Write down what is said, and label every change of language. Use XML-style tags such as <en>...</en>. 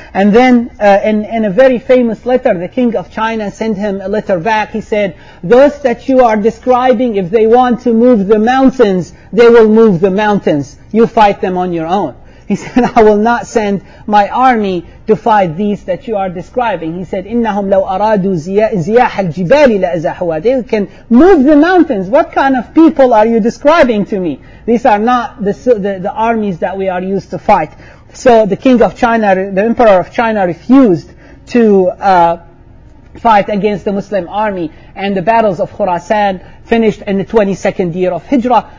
<en>And then in a very famous letter, the king of China sent him a letter back. He said, those that you are describing, if they want to move the mountains, they will move the mountains. You fight them on your own. He said, I will not send my army to fight these that you are describing. He said,</en> <ar>إِنَّهُمْ لَوْ أَرَادُوا زِيَاحَ الْجِبَالِ لَأَزَحُوَا.</ar> <en>They can move the mountains. What kind of people are you describing to me? These are not the armies that we are used to fight. So the king of China, the emperor of China, refused to fight against the Muslim army. And the battles of Khorasan finished in the 22nd year of Hijrah.</en>